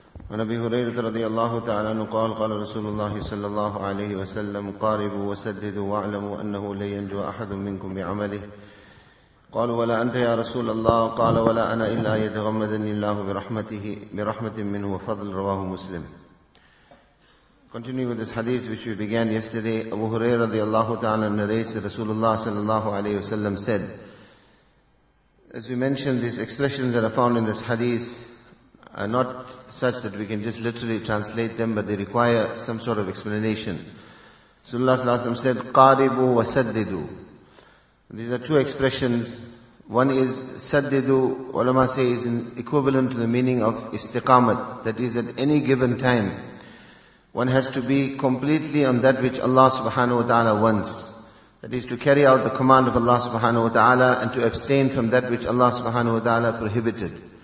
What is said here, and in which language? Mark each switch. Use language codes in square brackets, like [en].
[ar] عن ابي هريره رضي الله تعالى عنه قال قال رسول الله صلى الله عليه وسلم قاربوا وسددوا واعلموا انه لن ينجو احد منكم بعمله. قالوا ولا انت يا رسول الله؟ قال ولا انا الا يتغمدني الله برحمه منه وفضل. رواه مسلم. [en] Continuing with this hadith which we began yesterday, Abu Hurairah رضي الله تعالى عنه narrates that Rasulullah صلى الله عليه وسلم said, as we mentioned, these expressions that are found in this hadith are not such that we can just literally translate them, but they require some sort of explanation. Rasulullah صلى الله عليه وسلم said, [ar] قَارِبُوا وَسَدِّدُوا. [en] These are two expressions. One is سَدِّدُوا, ulama say, is equivalent to the meaning of istiqamat. That is, at any given time, one has to be completely on that which Allah subhanahu wa ta'ala wants. That is to carry out the command of Allah subhanahu wa ta'ala and to abstain from that which Allah subhanahu wa ta'ala prohibited.